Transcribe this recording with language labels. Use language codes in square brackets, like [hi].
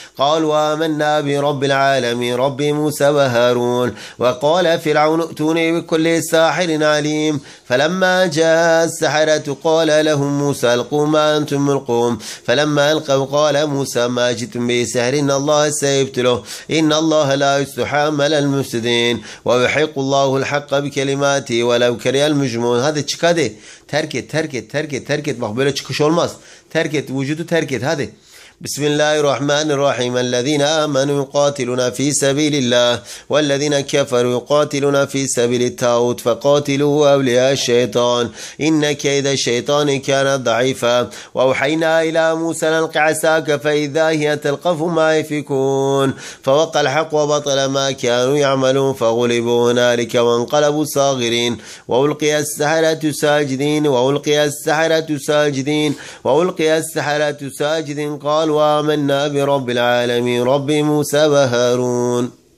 [ar] قالوا آمنا برب العالمين رب موسى وهارون وقال فرعون ائتوني بكل ساحر عليم فلما جاء السحرة قال لهم موسى ألقوا ما أنتم ملقون فلما ألقوا قال موسى ما جئتم به سحر إن الله سيبتله إن الله لا يصلح عمل المفسدين ويحق الله الحق بكلماته ولو كره المجرمون. [tr] هذا çıkadı, terk et, terk et, terk et, terk et. Bak böyle çıkış olmaz, terk et, vücudu terk et, hadi. [ar] بسم الله الرحمن الرحيم. الذين آمنوا يقاتلون في سبيل الله والذين كفروا يقاتلون في سبيل الطاغوت فقاتلوا أولياء الشيطان إن كيد الشيطان كان ضعيفا وأوحينا إلى موسى أن ألق عساك فإذا هي تلقف ما يفكون فوقع الحق وبطل ما كانوا يعملون فغلبوا هنالك وانقلبوا صاغرين وألقي السحرة ساجدين وألقي السحرة ساجدين وألقي السحرة ساجدين قالوا آمنا برب العالمين رب موسى وهارون